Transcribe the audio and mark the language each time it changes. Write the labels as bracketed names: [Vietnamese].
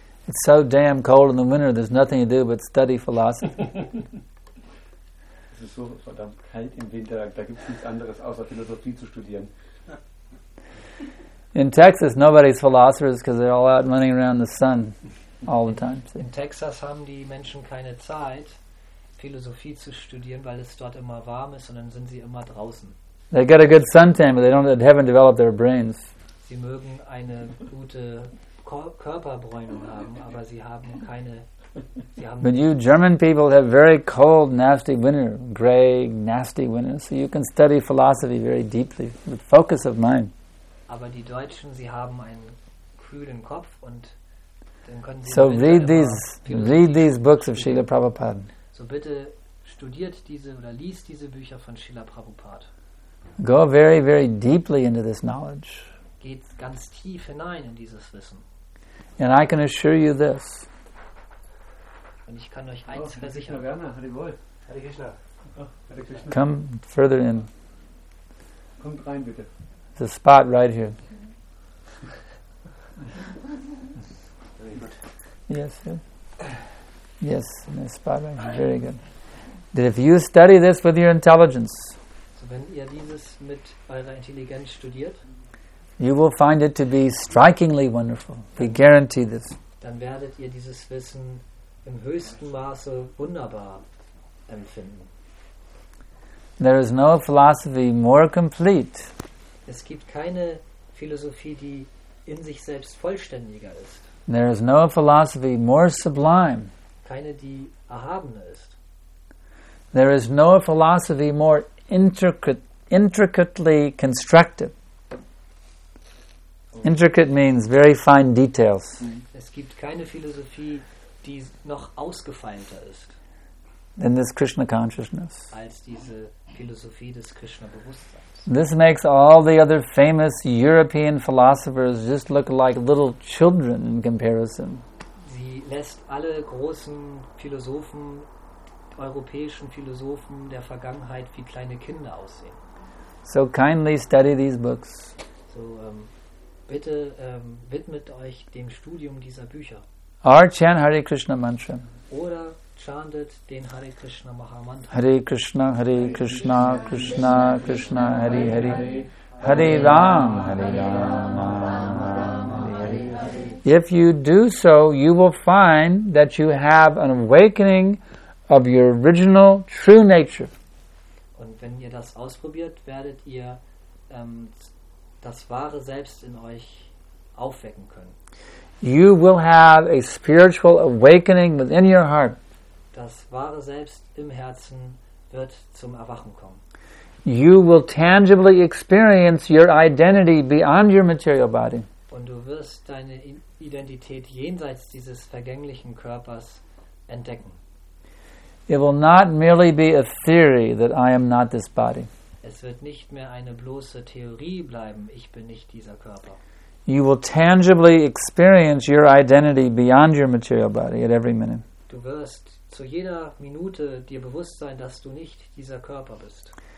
[English] It's so damn cold in the winter, there's nothing to do but study philosophy. [German] Es ist so verdammt kalt im Winter, da gibt es nichts anderes, außer Philosophie zu studieren. [English] In Texas, nobody's philosophers because they're all out running around the sun all the time. [German] In Texas haben die Menschen keine Zeit, Philosophie zu studieren, weil es dort immer warm ist und dann sind sie immer draußen. [English] They got a good suntan, but they haven't developed their brains. [German] Sie mögen eine gute Körperbräunung haben, aber sie haben keine. Sie haben [English] but you German people have very cold, nasty winter, gray, nasty winter, so you can study philosophy very deeply with focus of mind. [German] Aber die Deutschen, sie haben einen kühlen Kopf und dann können sie. [English] So read these books of Srila Prabhupada. [German] So bitte studiert diese oder liest diese Bücher von Srila Prabhupada. [English] Go very, very deeply into this knowledge. [German] Geht ganz tief hinein in dieses Wissen. [English] And I can assure you this. [German] Und ich kann euch eins versichern. [Sanskrit] Hare Krishna, Hare Wohl. Hare Krishna. [English] Come further in. [German] Kommt rein, bitte. [English] The spot right here. Very good. Yes, yes. Yes, the spot right here. Very good. That if you study this with your intelligence, [German] wenn ihr dieses mit eurer Intelligenz studiert, [English] you will find it to be strikingly wonderful. We guarantee this. [German] Dann werdet ihr dieses Wissen im höchsten Maße wunderbar empfinden. [English] There is no philosophy more complete. [German] Es gibt keine Philosophie, die in sich selbst vollständiger ist. [English] There is no philosophy more sublime. [German] Keine, die erhabener ist. [English] There is no philosophy more intricately constructed. Intricate means very fine details. [German] Es gibt keine Philosophie, die noch ausgefeilter ist. [English] Than this Krishna consciousness. [German] Als diese Philosophie des Krishna-Bewusstseins. [English] This makes all the other famous European philosophers just look like little children in comparison. [German] Sie lässt alle großen Philosophen europäischen Philosophen der Vergangenheit wie kleine Kinder aussehen. [English] So kindly study these books. [German] So bitte widmet euch dem Studium dieser Bücher. [English] Or chant Hare Krishna Mantra. [German] Oder chantet den Hare Krishna Mahamantra. [Sanskrit] Hare Krishna, Krishna, Krishna, Hare Hare. Hare Ram, Hare Ram, Ram, Ram, Hare Hare. [English] If you do so, you will find that you have an awakening of your original true nature. [German] Und wenn ihr das ausprobiert, werdet ihr das wahre Selbst in euch aufwecken können. [English] You will have a spiritual awakening within your heart. [German] Das wahre Selbst im Herzen wird zum Erwachen kommen. [English] You will tangibly experience your identity beyond your material body. [German] Und du wirst deine Identität jenseits dieses vergänglichen Körpers entdecken. [English] It will not merely be a theory that I am not this body. [German] Es wird nicht mehr eine bloße Theorie bleiben, ich bin nicht dieser Körper. [English] You will tangibly experience your identity beyond your material body at every minute. [German] Du wirst zu jeder Minute dir bewusst sein, dass du nicht dieser Körper bist.